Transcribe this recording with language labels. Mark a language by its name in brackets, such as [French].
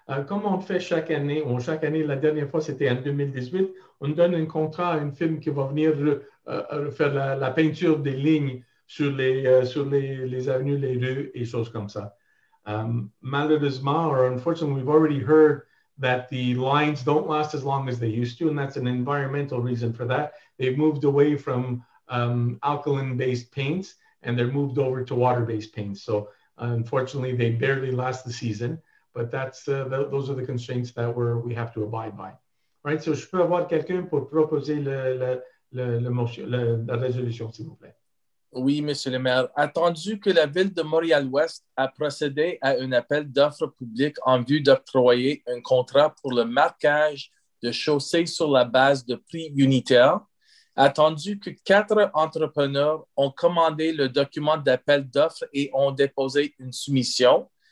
[French] Comme on fait chaque année, ou chaque année, la dernière fois, c'était en 2018, on donne un contrat à une firme qui va venir faire la peinture des lignes sur les avenues, les rues et choses comme ça. Malheureusement, [English] or unfortunately, we've already heard that the lines don't last as long as they used to, and that's an environmental reason for that. They've moved away from alkaline-based paints, and they're moved over to water-based paints. So unfortunately, they barely last the season, but those are the constraints that we have to abide by. All right, so [French] je peux avoir quelqu'un pour proposer la résolution, s'il vous plaît. Oui, Monsieur le maire. Attendu que la ville de Montréal-Ouest a procédé à un appel d'offres publiques en vue d'octroyer un contrat pour le marquage de chaussées sur la base de prix unitaire, attendu que 4 entrepreneurs ont commandé le document d'appel d'offres et ont déposé une soumission.